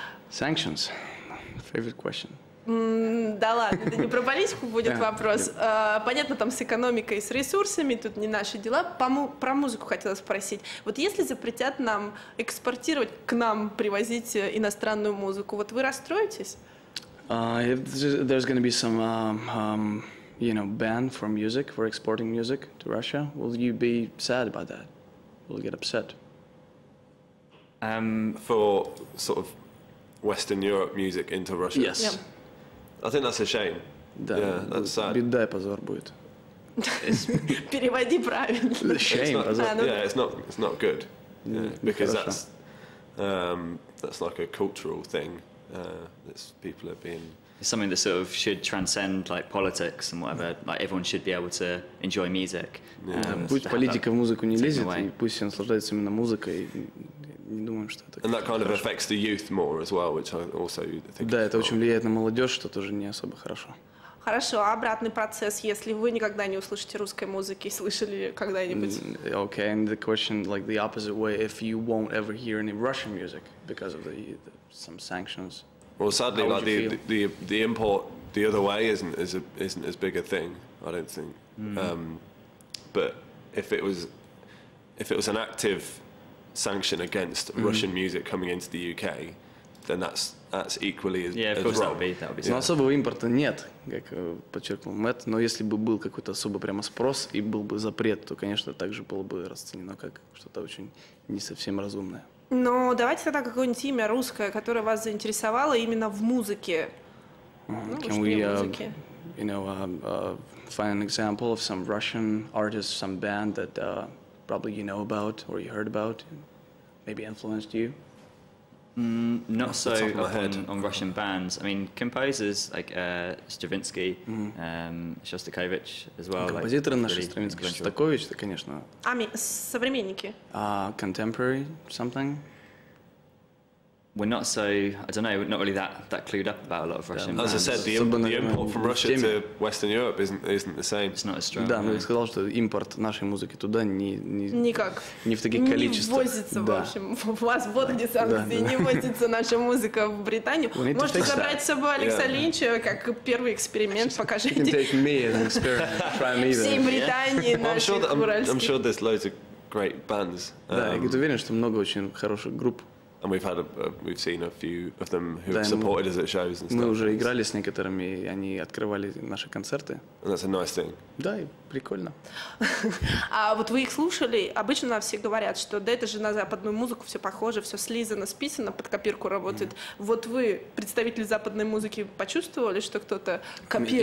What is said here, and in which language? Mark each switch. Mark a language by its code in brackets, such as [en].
[en] Sanctions. Favorite question. [ru] Да ладно, это не про политику будет вопрос. Понятно, там с экономикой, с ресурсами, тут не наши дела. Про музыку хотела спросить. Вот если запретят нам экспортировать, к нам привозить иностранную музыку, вот вы расстроитесь? [en] There's going to be some, you know, ban for music, for exporting music to Russia. Will you be sad about that? Will you get upset? For sort of Western Europe music into Russia? Yes. Yeah. I think that's a shame. [ru] Да, [en] yeah, that's sad. [ru] Беда и позор будет. Переводи правильно. Shame, позор. [en] Yeah, it's not good. Yeah, because that's like a cultural thing. That's people have been. It's something that sort of should transcend like politics and whatever. Like everyone should be able to enjoy music. [ru] Пусть политика в музыку не лезет, и пусть он наслаждается именно музыкой. Не думаем, что это. [en] And that kind of affects the youth more as well, which I also think. [ru] Да, это очень влияет на молодежь, что тоже не особо хорошо. Хорошо, а обратный процесс, если вы никогда не услышите русской музыки, слышали когда-нибудь? [en] Okay, and the question like the opposite way, if you won't ever hear any Russian music because of the some sanctions. Well, sadly, like the import the other way isn't as big a thing, I don't think. But if it was an active sanction against Russian music coming into the UK, then that's equally as wrong. Yeah, of course that would be. [ru] Но особого импорта нет, как подчеркнул Мэтт. Но если бы был какой-то особо прямо спрос и был бы запрет, то, конечно, также было бы расценено как что-то очень не совсем разумное. Но давайте тогда какое-нибудь имя русское, которое вас заинтересовало именно в музыке. [en] Can we, you know, find an example of some Russian artist, some band that probably you know about or you heard about, maybe influenced you? Not so on Russian bands. I mean, composers like Stravinsky, Shostakovich as well. [ru] Композиторы наши, Stravinsky, Shostakovich, это, конечно. А, современники. [en] Contemporary something. We're not so, I don't know, not really that clued up about a lot of Russian bands. As I said, the import from Russia to Western Europe isn't the same. It's not as strong. [ru] Да, но я сказал, что импорт нашей музыки туда никак. Не в таких количествах. Не возится, в общем. У вас вот где санкции, не возится наша музыка в Британию. Можете забрать с собой Алекса Линча, как первый эксперимент, покажите. [en] You can take me as an experiment, try me either. [ru] Всей Британии, наших уральских. [en] I'm sure there's loads of great bands. [ru] Да, я уверен, что много очень хороших групп. [en] And we've seen a few of them who have supported us at shows and stuff. [ru] Мы уже играли с некоторыми, и они открывали наши концерты. [en] And that's a nice thing. [ru] Да, и прикольно. А вот вы их слушали? Обычно все говорят, что да, это же на западную музыку все похоже, все слизано, списано, под копирку работает. Вот вы, представитель западной музыки, почувствовали, что кто-то копирует?